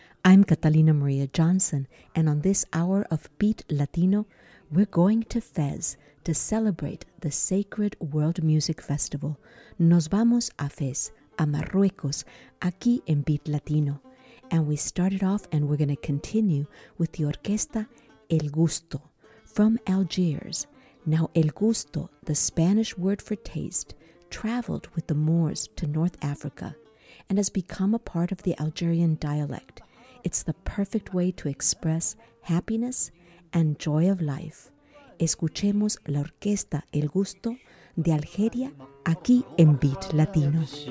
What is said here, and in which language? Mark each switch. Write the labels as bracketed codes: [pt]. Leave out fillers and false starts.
[en] I'm Catalina Maria Johnson, and on this hour of Beat Latino, we're going to Fez to celebrate the Sacred World Music Festival. [es] Nos vamos a Fez, a Marruecos, aquí en Beat Latino. [en] And we started off, and we're going to continue with the orquesta El Gusto from Algiers. Now, El Gusto, the Spanish word for taste, traveled with the Moors to North Africa and has become a part of the Algerian dialect. It's the perfect way to express happiness and joy of life. [es] Escuchemos la orquesta El Gusto de Algeria aquí en Beat Latino.